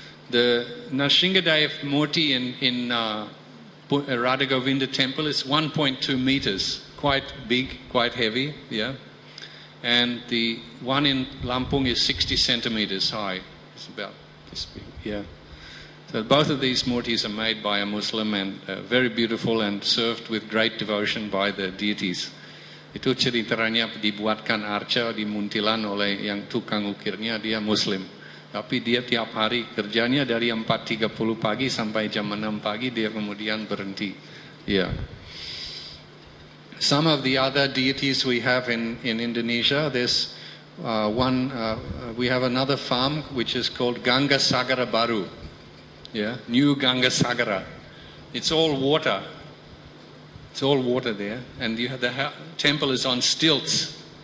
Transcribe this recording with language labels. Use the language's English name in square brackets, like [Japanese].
[English] The Nrisingadev murti in Radha Govinda temple is 1.2 meters, quite big, quite heavy, yeah. And the one in Lampung is 60 centimeters high. It's about this big, yeah. So both of these murtis are made by a Muslim and very beautiful and served with great devotion by the deities. [Indonesian] Itu ceritanya dibuatkan arca di Muntilan oleh yang tukang ukirnya, dia Muslim. Tapi dia tiap hari kerjanya dari 4:30 pagi sampai jam 6 pagi, dia kemudian berhenti. [English] Yeah. Some of the other deities we have in Indonesia, there's we have another farm which is called Ganga Sagara Baru. Yeah, New Ganga Sagara. It's all water. It's all water there, and you have the temple is on stilts.